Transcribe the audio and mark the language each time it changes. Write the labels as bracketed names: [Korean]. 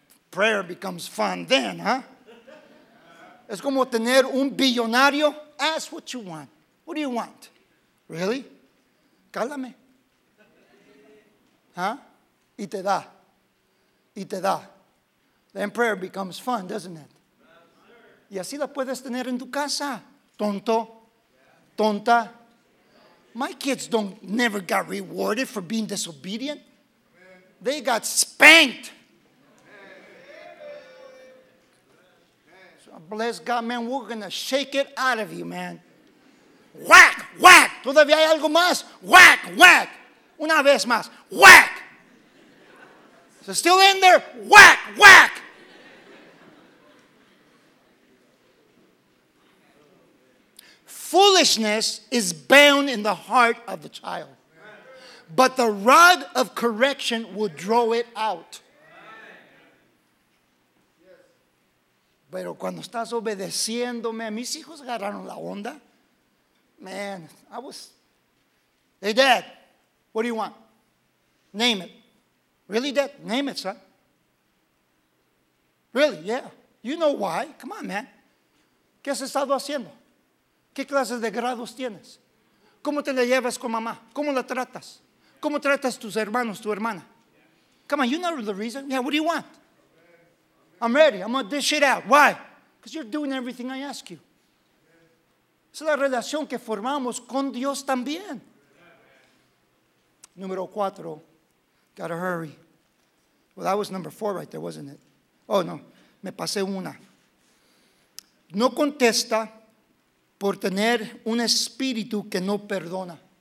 [English] Prayer becomes fun then, huh? [Spanish] Es como tener un billonario. [English] Ask what you want. What do you want? Really? Cálame. Huh? [Spanish] Y te da. Y te da. [English] Then prayer becomes fun, doesn't it? [Spanish] Y así la puedes tener en tu casa. Tonto. Tonta. [English] My kids never got rewarded for being disobedient. They got spanked. Bless God, man, we're going to shake it out of you, man. Whack, whack. [Spanish] ¿Todavía hay algo más? [English] Whack, whack. [Spanish] Una vez más. [English] Whack. Is it still in there? Whack, whack. Foolishness is bound in the heart of the child. But the rod of correction will draw it out. [Spanish] Pero cuando estás obedeciéndome, mis hijos agarraron la onda. [English] Man, I was. Hey, Dad, what do you want? Name it. Really, Dad? Name it, son. Really, yeah. You know why. Come on, man. [Spanish] ¿Qué has estado haciendo? ¿Qué clases de grados tienes? ¿Cómo te la llevas con mamá? ¿Cómo la tratas? ¿Cómo tratas tus hermanos, tu hermana? [English] Come on, you know the reason. Yeah, what do you want? I'm ready. I'm going to dish it out. Why? Because you're doing everything I ask you. [Spanish] Es la relación que formamos con Dios también. Número cuatro. [English] Gotta hurry. Well, that was number four right there, wasn't it? [Spanish] Oh, no. Me pasé una. No contesta por tener un espíritu que no perdona.